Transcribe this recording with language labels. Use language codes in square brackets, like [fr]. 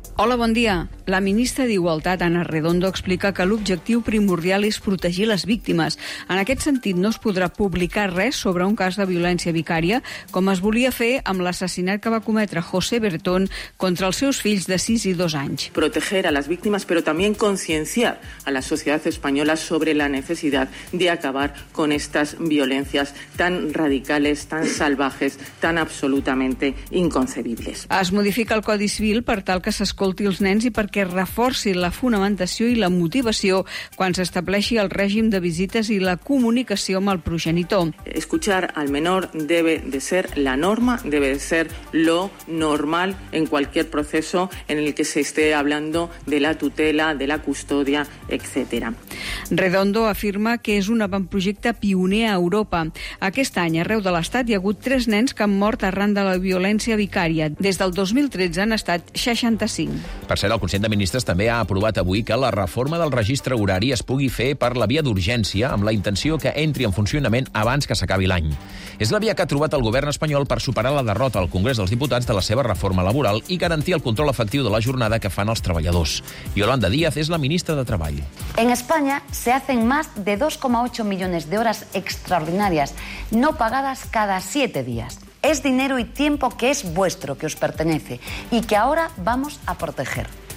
[ca] Hola, bon dia. La ministra d'Igualtat, Ana Redondo, explica que l'objectiu primordial és protegir les víctimes. En aquest sentit, no es podrà publicar res sobre un cas de violència vicària, com es volia fer amb l'assassinat que va cometre José Bertón contra els seus fills de 6 i 2 anys. [es] Proteger a las víctimas, pero también concienciar a la sociedad española sobre la necesidad de acabar con estas violencias tan radicales, tan salvajes, tan absolutamente inconcebibles. [ca] Es modifica el Codi Civil per tal que s'escolti els nens i perquè reforci la fonamentació i la motivació quan s'estableixi el règim de visites i la comunicació amb el progenitor. [es] Escuchar al menor debe de ser la norma, debe de ser lo normal en cualquier proceso en el que se esté hablando de la tutela, de la custodia, etc. [ca] Redondo afirma que és un avantprojecte pioner a Europa. Aquest any, arreu de l'Estat, hi ha hagut 3 nens que han mort arran de la violència vicària. Des del 2013 han estat 65. Per cert, el Consell de Ministres també ha aprovat avui que la reforma del registre horari es pugui fer per la via d'urgència, amb la intenció que entri en funcionament abans que s'acabi l'any. És la via que ha trobat el govern espanyol per superar la derrota al Congrés dels Diputats de la seva reforma laboral i garantir el control efectiu de la jornada que fan els treballadors. Yolanda Díaz és la ministra de Treball. [es] En España se hacen más de 2,8 millones de horas extraordinarias no pagadas cada 7 días. Es dinero y tiempo que es vuestro, que os pertenece y que ahora vamos a proteger.